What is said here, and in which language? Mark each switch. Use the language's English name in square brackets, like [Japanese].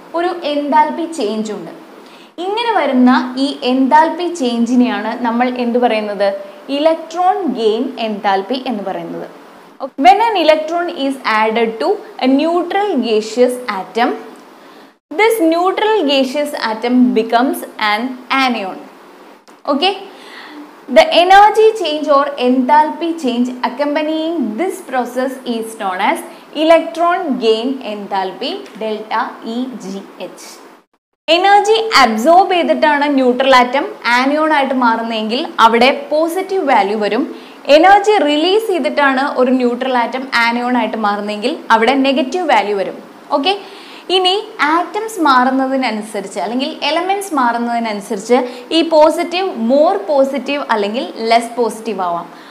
[Malayalam] ഒരു enthalpy change ഉണ്ട്. ഇങ്ങനെ വരുന്ന ഈ എൻതാൽപ്പി ചേഞ്ചിനെയാണ് നമ്മൾ എന്ത് പറയുന്നത്? ഇലക്ട്രോൺ ഗെയിൻ എൻതാൽപ്പി എന്ന് പറയുന്നത്. [English] When an electron is added to a neutral gaseous atom, this neutral gaseous atom becomes an anion. Okay, the energy change or enthalpy change accompanying this process is known as electron gain enthalpy, delta EGH. [Malayalam] Energy absorb ചെയ്തിട്ടാണ് neutral atom anion ആയിട്ട് മാറുന്നതെങ്കിൽ അവിടെ positive value വരും. Energy release ചെയ്തിട്ടാണ് ഒരു neutral atom anion ആയിട്ട് മാറുന്നതെങ്കിൽ അവിടെ negative value വരും. Okay, ഇനി ആറ്റംസ് മാറുന്നതിനനുസരിച്ച് അല്ലെങ്കിൽ എലമെൻറ്റ്സ് മാറുന്നതിനനുസരിച്ച് ഈ പോസിറ്റീവ് മോർ പോസിറ്റീവ് അല്ലെങ്കിൽ ലെസ് പോസിറ്റീവ് ആവാം.